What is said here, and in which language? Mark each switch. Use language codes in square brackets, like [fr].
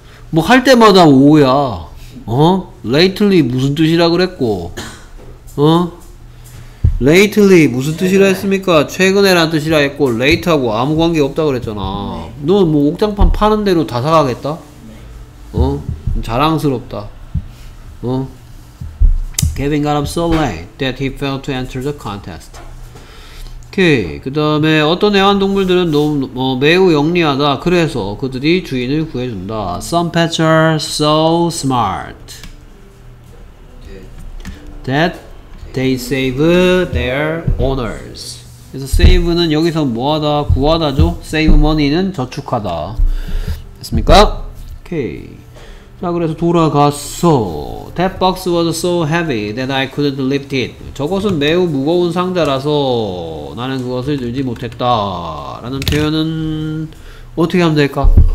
[ko] 뭐 할 때마다 오야. 어? Lately 무슨 뜻이라 그랬고? 어? Lately 무슨 뜻이라 했습니까? 최근에란 뜻이라 했고 late하고 아무 관계 없다 그랬잖아. 너 뭐 옥장판 파는 대로 다 사가겠다? 어? 자랑스럽다. 어? [en] Kevin got up so late that he failed to enter the contest. [ko] 오케이. 그 다음에 어떤 애완동물들은 매우 영리하다. 그래서 그들이 주인을 구해준다. [en] Some pets are so smart that they save their owners. [ko] 그래서 save는 여기서 뭐하다? 구하다죠? [en] Save money [ko] 는 저축하다. 됐습니까? 오케이. 자, 그래서 돌아갔어. [en] That box was so heavy that I couldn't lift it. [ko] 저것은 매우 무거운 상자라서 나는 그것을 들지 못했다. 라는 표현은 어떻게 하면 될까?